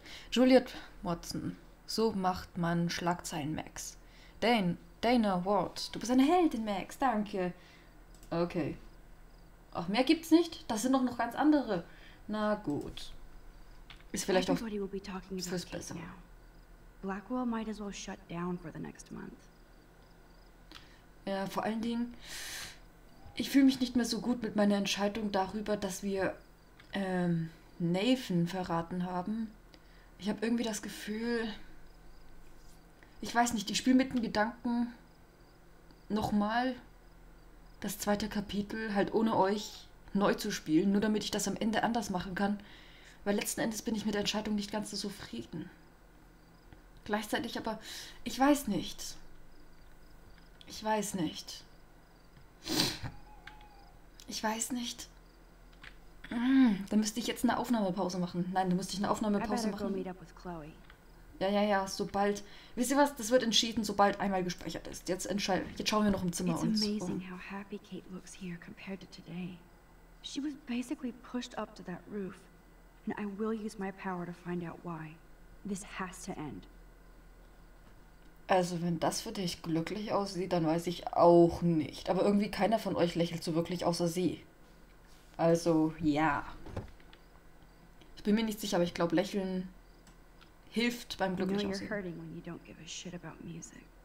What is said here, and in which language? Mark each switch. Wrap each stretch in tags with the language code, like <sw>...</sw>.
<de>Juliet Watson. So macht man Schlagzeilen, Max. Dana Ward. Du bist eine Heldin, Max. Danke. Okay. Ach, mehr gibt's nicht? Das sind doch noch ganz andere. Na gut. Ist vielleicht auch fürs Bessere.</de> <en>Blackwell might as well shut down for the next month.</en> <de>Ja, vor allen Dingen, ich fühle mich nicht mehr so gut mit meiner Entscheidung darüber, dass wir Nathan verraten haben. Ich habe irgendwie das Gefühl, ich weiß nicht, ich spiele mit dem Gedanken nochmal das zweite Kapitel, halt ohne euch, neu zu spielen, nur damit ich das am Ende anders machen kann. Weil letzten Endes bin ich mit der Entscheidung nicht ganz so zufrieden. Gleichzeitig aber, ich weiß nicht. Ich weiß nicht. Ich weiß nicht. Dann müsste ich jetzt eine Aufnahmepause machen. Nein, dann müsste ich eine Aufnahmepause machen. Ja, sobald... Wisst ihr was? Das wird entschieden, sobald einmal gespeichert ist. Jetzt schauen wir noch im Zimmer uns um.</de> <en>It's amazing how happy Kate looks here compared to today. She was basically pushed up to that roof. And I will use my power to find out why. This has to end.</en> <de>Also, wenn das für dich glücklich aussieht, dann weiß ich auch nicht. Aber irgendwie keiner von euch lächelt so wirklich außer sie. Also, ja. Ich bin mir nicht sicher, aber ich glaube, lächeln hilft beim Glücklichaussehen.</de>